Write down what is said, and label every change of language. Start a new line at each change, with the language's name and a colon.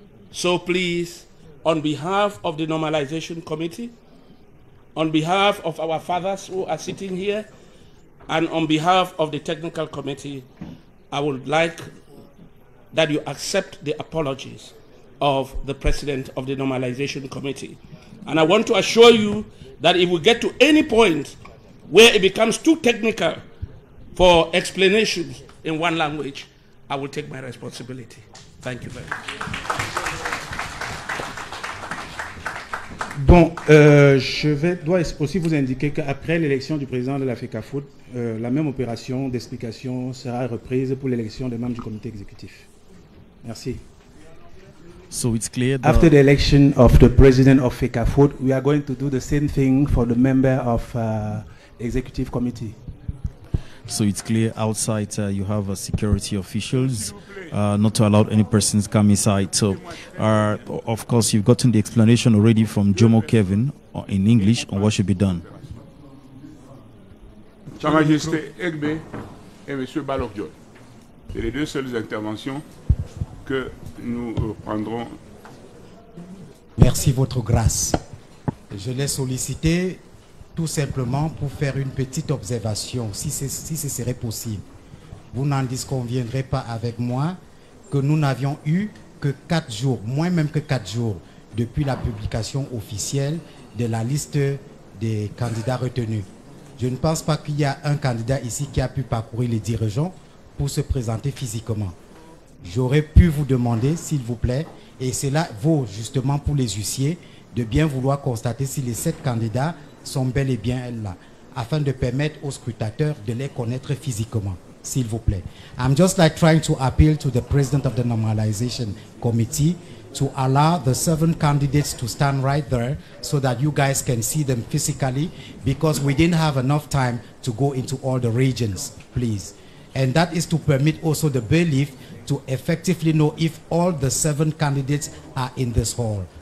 English: So please, on behalf of the Normalization Committee, on behalf of our fathers who are sitting here, and on behalf of the Technical Committee, I would like that you accept the apologies of the President of the Normalization Committee. And I want to assure you that if we get to any point where it becomes too technical for explanation in one language, I will take my responsibility. Thank you very much.
French: Bon, je dois aussi vous indiquer qu'après l'élection du président de l'Afrikafood, la même opération d'explication sera reprise pour l'élection des membres du comité exécutif. Merci.
English: So it's clear that after the election of the president of Afrikafood, we are going to do the same thing for the member of executive committee. So it's clear outside you have security officials not to allow any persons come inside. So, of course, you've gotten the explanation already from Jomo Kevin in English on what should be done.
French: Sa Majesté Egbe et Monsieur Balogun, c'est les deux seules interventions que nous prendrons. Merci, Votre Grâce. Je l'ai sollicité tout simplement pour faire une petite observation, si ce serait possible. Vous n'en disconviendrez pas avec moi que nous n'avions eu que 4 jours, moins même que 4 jours, depuis la publication officielle de la liste des candidats retenus. Je ne pense pas qu'il y a un candidat ici qui a pu parcourir les 10 régions pour se présenter physiquement. J'aurais pu vous demander, s'il vous plaît, et cela vaut justement pour les huissiers, de bien vouloir constater si les 7 candidats sont bel et bien là, afin de permettre aux scrutateurs de les connaître physiquement, s'il vous plaît.
English: I'm just like trying to appeal to the president of the normalization committee to allow the 7 candidates to stand right there so that you guys can see them physically, because we didn't have enough time to go into all the regions, please. And that is to permit also the bailiff to effectively know if all the 7 candidates are in this hall.